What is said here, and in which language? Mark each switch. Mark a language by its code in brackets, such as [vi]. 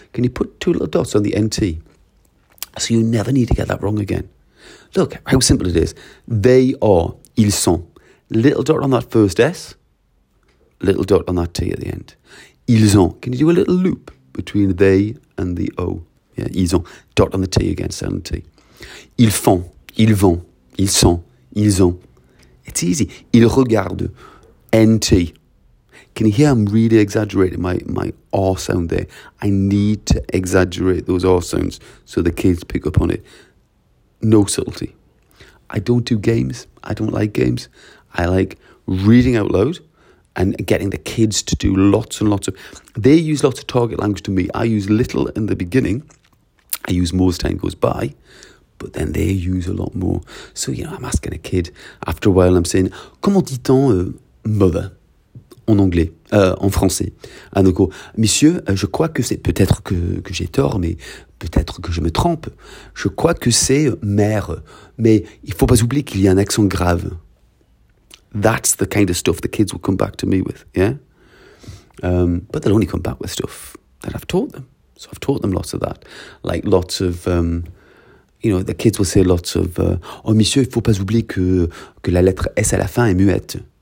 [en] Can you put two little dots on the NT? So you never need to get that wrong again. Look how simple it is. They are, [fr] ils sont. [en] Little dot on that first S, little dot on that T at the end. [fr] Ils ont. [en] Can you do a little loop between they and the O? Yeah, [fr] ils ont. [en] Dot on the T again, silent T. [fr] Ils font, ils vont, ils sont, ils ont. [en] It's easy. [fr] Ils regardent, [en] NT. Can you hear I'm really exaggerating my R sound there? I need to exaggerate those R sounds so the kids pick up on it. No subtlety. I don't do games. I don't like games. I like reading out loud and getting the kids to do lots and lots of... They use lots of target language to me. I use little in the beginning. I use more as time goes by. But then they use a lot more. So, you know, I'm asking a kid. After a while, I'm saying, [fr] comment dit-on mother en anglais, en français? And they go, monsieur, je crois que c'est peut-être que j'ai tort, mais... Peut-être que je me trompe. Je crois que c'est mère. Mais il ne faut pas oublier qu'il y a un accent grave. [en] That's the kind of stuff the kids will come back to me with, yeah? But they'll only come back with stuff that I've taught them. So I've taught them lots of that. Like lots of, you know, the kids will say lots of, oh, [fr] monsieur, il ne faut pas oublier que la lettre S à la fin est muette.